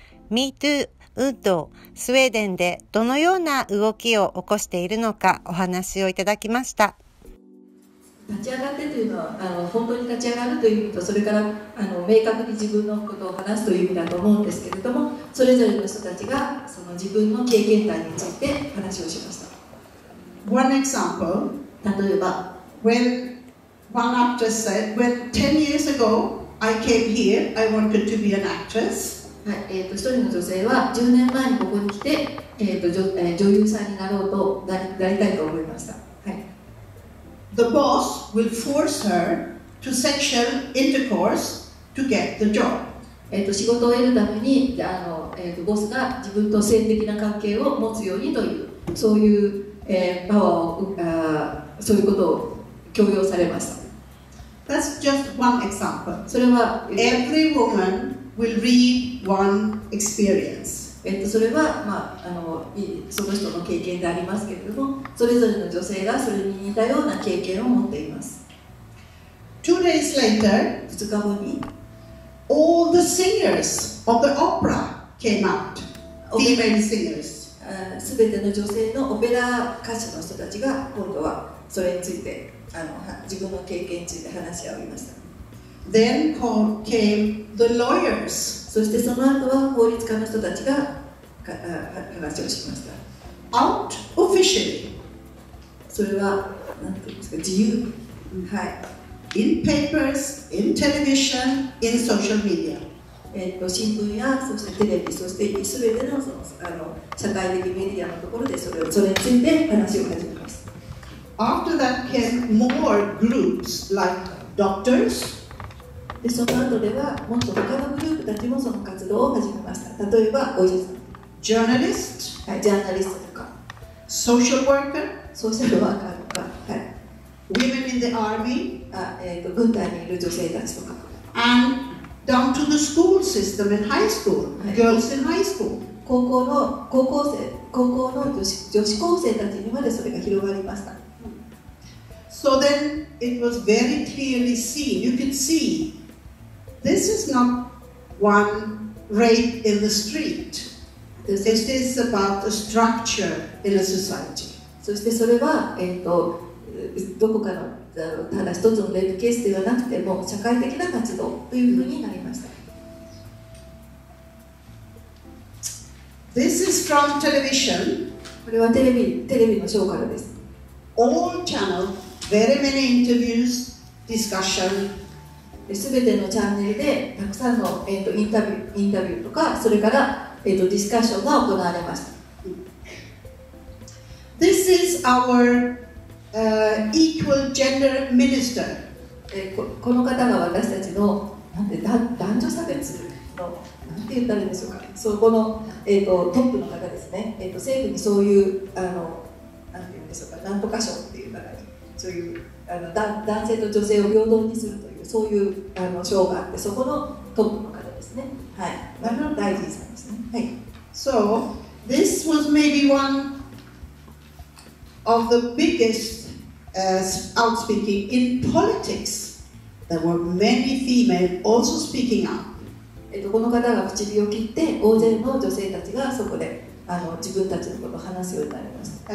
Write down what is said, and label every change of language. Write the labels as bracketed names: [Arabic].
[Japanese] MeToo 運動、スウェーデンでどのような動きを起こしているのかお話をいただきました。立ち上がってというのは本当に立ち上がるという意味と、それから明確に自分のことを話すという意味だと思うんですけれども、それぞれの人たちがその自分の経験談について話をしました。 [English] One example, [Japanese] 例えば [English] when one actress said, when 10 years ago I came here, I wanted to be an actress. [Japanese] はい、一人の女性は10年前にここに来て、女優さんになろうとなりたいと思いました。はい。 [English] The boss will force her to sexual intercourse to get the job. [Japanese] 仕事を得るためにボスが自分と性的な関係を持つようにという、そういうパワーをそういうことを強要されました。 [English] That's just one example. [Japanese] それは [English] Every woman will read one experience. [Japanese] それは、まあ、その人の経験でありますけれども、それぞれの女性がそれに似たような経験を持っています。 [English] Two days later, [Japanese] 2日後に [English] All the singers of the opera came out. Female singers. [Japanese] すべての女性のオペラ歌手の人たちが今度はそれについて自分の経験について話し合いました。 [English] Then came the lawyers. [Japanese] そしてその後は法律家の人たちが話をしました。 [English] Out officially. [Japanese] それは何て言うんですか、自由。はい。 [English] in papers, in television, in social media. [Japanese] 新聞やそしてテレビ、そして全て の社会的メディアのところで それについて話を始めます。 [English] After that came more groups like doctors. [Japanese] でその後ではもっと他のグループたちもその活動を始めました。例えばお医者さん、 [English] journalist、 [Japanese] はい、ジャーナリストとか、 [English] social worker、 [Japanese] ソーシャルワーカーとか、はい、 [English] women in the army、 [Japanese] 軍隊にいる女性たちとか、 [English] and down to the school system in high school、はい、girls in high school、 [Japanese] 高校の女子高生たちにまでそれが広がりました。 [English] So then it was very clearly seen. You can see this is not one rape in the street. This is about a structure in a society. [Japanese] そしてそれは、どこかのただ一つのレイプケースではなくても社会的な活動というふうになりました。 [English] This is from television. [Japanese] これはテレビのショーからです。 [English] All channel. Very many interviews, discussion. [Japanese] すべてのチャンネルでたくさんの、インタビューとかそれから、ディスカッションが行われました。 [English] This is our equal gender minister. [Japanese] この方が私たちのなんて男女差別のなんて言ったらいいでしょうか。そこの、トップの方ですね。政府にそういうなんて言うんでしょうか。なんとか賞っていう方に。そういう男性と女性を平等にするというそういう賞があってそこのトップの方ですね。はい、大臣さんですね。はい。 [English] So this was maybe one of the biggest outspeaking in politics. There were many female also speaking up. [Japanese] この方が口火を切って大勢の女性たちがそこで自分たちのことを話すようになりました。